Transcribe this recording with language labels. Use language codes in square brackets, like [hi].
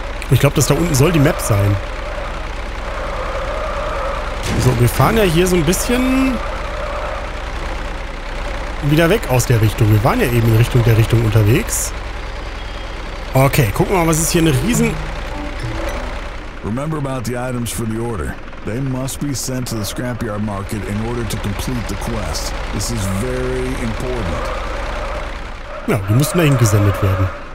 [de] Ich glaube, das da unten soll die Map sein. So, wir fahren ja hier so ein bisschen wieder weg aus der Richtung. Wir waren ja eben in Richtung der Richtung unterwegs. Okay, gucken wir mal, was ist hier eine Riesen. [en] Remember about the items for the order. They must be sent to the scrapyard market in order to complete the quest. This is very important. [de] Ja, die müssen dahin gesendet werden.